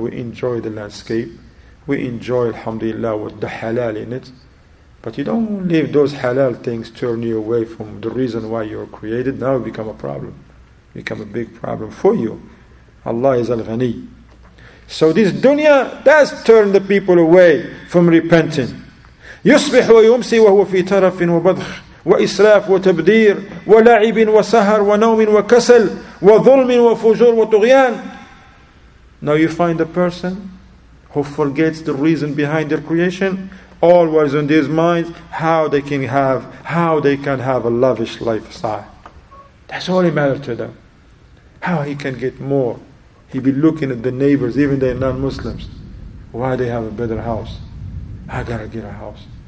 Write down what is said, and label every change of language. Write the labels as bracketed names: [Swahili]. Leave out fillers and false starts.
[English] We enjoy the landscape. We enjoy, alhamdulillah, with the halal in it. But you don't leave those halal things turn you away from the reason why you're created. Now it become a problem. Become a big problem for you. Allah is al-ghani. So this dunya does turn the people away from repenting. [Arabic] يصبح ويمسي وهو في ترف وبضخ وإسراف وتبذير ولعب وسهر ونوم وكسل وظلم وفجور وطغيان. [English] Now you find a person who forgets the reason behind their creation, always on their mind how they can have a lavish lifestyle. That's all it matters to them. How he can get more. He be looking at the neighbors, even they're non-Muslims. Why they have a better house? I gotta get a house.